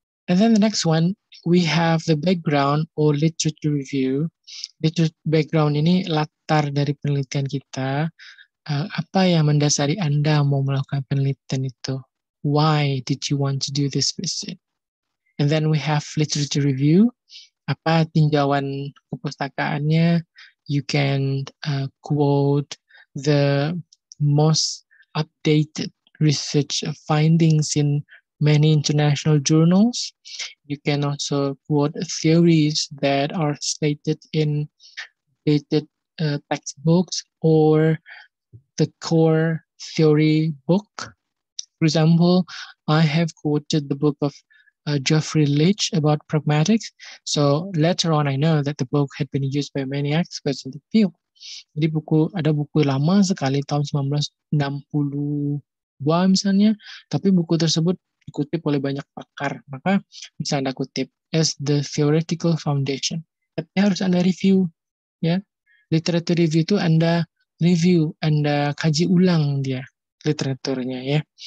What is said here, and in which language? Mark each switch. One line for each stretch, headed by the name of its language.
English: And then the next one, we have the background or literature review.
Indonesian: Background ini latar dari penelitian kita. Apa yang mendasari Anda mau melakukan penelitian itu?
English: Why did you want to do this research? And then we have literature review.
Indonesian: Apa tinjauan kepustakaannya?
English: You can quote the most updated research findings in many international journals. You can also quote theories that are stated in dated textbooks or the core theory book. For example, I have quoted the book of Geoffrey Leach about pragmatics. So later on, I know that the book had been used by many experts in the field.
Indonesian: Jadi ada buku lama sekali tahun 1962 misalnya, tapi buku tersebut dikutip oleh banyak pakar, maka bisa Anda kutip
English: as the theoretical foundation.
Indonesian: Tapi harus Anda review, ya. Literature review itu Anda review, Anda kaji ulang dia literaturnya, ya.